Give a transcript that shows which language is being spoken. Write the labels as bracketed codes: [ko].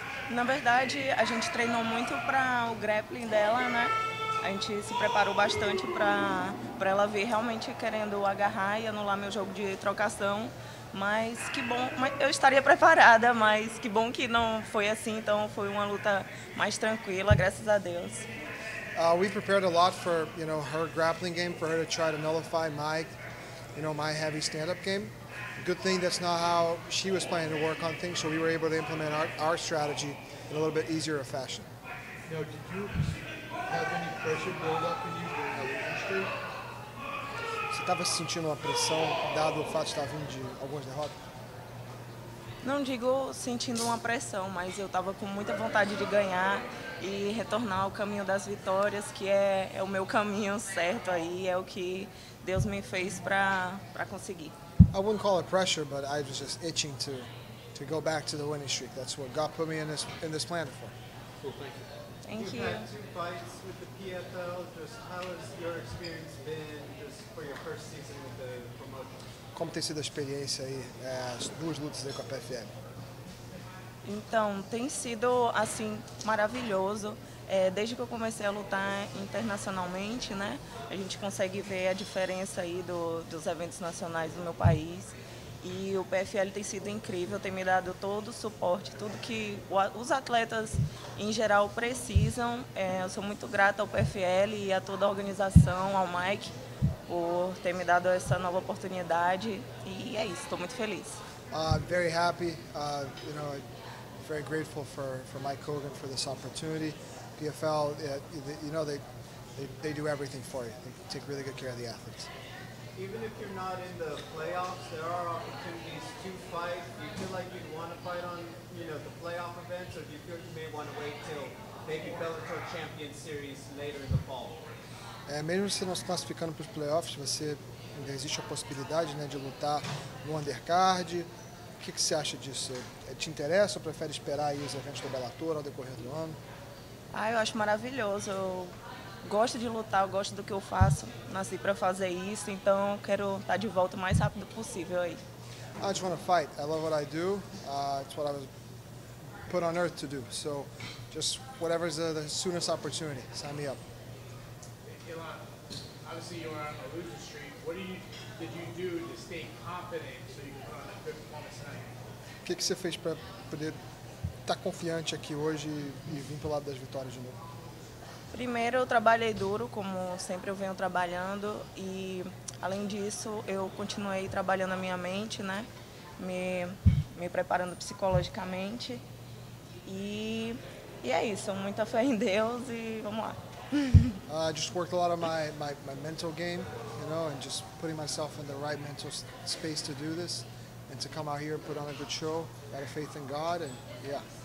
[pt] Na verdade, a gente treinou muito para o grappling dela, né? A gente se preparou bastante para ela vir realmente querendo agarrar e anular meu jogo de trocação. Mas que bom, eu estaria preparada, mas que bom que não foi assim, então foi uma luta mais tranquila, graças a Deus. [en] We prepared a lot for, you know, her grappling game, for her to try to nullify my, you know, my heavy stand-up game. Good thing that's not how she was planning to work on things, so we were able to implement our strategy in a little bit easier of fashion. Now, did you have any pressure build up in you during that history? [pt] Você estava sentindo uma pressão, dado o fato de estar vindo de algumas derrotas? Não digo sentindo uma pressão, mas eu estava com muita vontade de ganhar e retornar ao caminho das vitórias, que é o meu caminho certo aí, é o que Deus me fez para conseguir. [en] I wouldn't call it pressure, but I was just itching to go back to the winning streak. That's what God put me in this planet for. Cool, thank you. Thank you. You had two fights with the PFL. Just how has your experience been just for your first season with the promotion? [pt] Como tem sido a experiência aí, as duas lutas aí com a PFL? Então, tem sido, assim, maravilhoso. Desde que eu comecei a lutar internacionalmente, né? A gente consegue ver a diferença aí dos eventos nacionais do meu país. E o PFL tem sido incrível, tem me dado todo o suporte, tudo que os atletas em geral precisam. Eu sou muito grata ao PFL e a toda a organização, ao Mike, por ter me dado essa nova oportunidade. E é isso, estou muito feliz. [en] Very happy, you know, very grateful for Mike Hogan for this opportunity. PFL, you know, they do everything for you. They take really good care of the athletes. Even if you're not in the playoffs, there are opportunities to fight. Do you feel like you'd want to fight on, you know, the playoff events, or do you feel you may want to wait till maybe Bellator Champion Series later in the fall? [pt] Mesmo se não se classificando para os playoffs, você ainda existe a possibilidade, né, de lutar no undercard. O que que você acha disso? Te interessa ou prefere esperar aí os eventos do Bellator ao decorrer do ano? Ah, eu acho maravilhoso. Gosto de lutar, eu gosto do que eu faço, nasci para fazer isso, então quero estar de volta o mais rápido possível aí. [en] I just want to fight. I love what I do. It's what I was put on earth to do. So, just whatever is the soonest opportunity, sign me up. Ilan, obviously you were on a losing streak. What did you do to stay confident so you could put on a good performance tonight? [pt] O que você fez para poder estar confiante aqui hoje e vir para o lado das vitórias de novo? Primeiro, eu trabalhei duro, como sempre eu venho trabalhando, e além disso, eu continuei trabalhando a minha mente, né? Me preparando psicologicamente. E é isso, muita fé em Deus e vamos lá. [en] Just worked a lot on my mental game, you know, and just putting myself in the right mental space to do this and to come out here and put on a good show. Got a faith in God and yeah.